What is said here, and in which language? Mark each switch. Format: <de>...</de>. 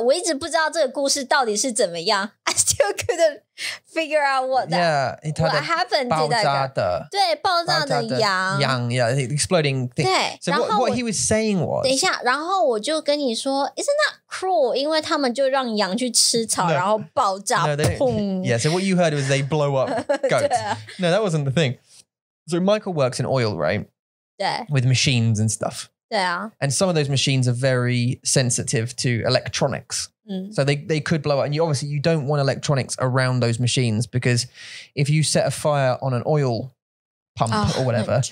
<zh>我一直不知道这个故事到底是怎么样。</zh> <en>I still couldn't figure out what happened to that guy.</en> <zh>爆炸的。对,爆炸的羊。</zh> <en>羊, yeah, exploding thing.</en> <zh>对。</zh> <en>So what he was saying was...</en> <zh>等一下,然后我就跟你说,</zh> <en>isn't that cruel?</en> <zh>因为他们就让羊去吃草 然后爆炸。砰。</zh> <en>Yeah, so what you heard was they blow up goats.</en> <zh>对啊。</zh> <en>No, that wasn't the thing. So Michael works in oil, right? Yeah. With machines and stuff. Yeah. And some of those machines are very sensitive to electronics. So they could blow up. And you don't want electronics around those machines because if you set a fire on an oil pump or whatever,</en>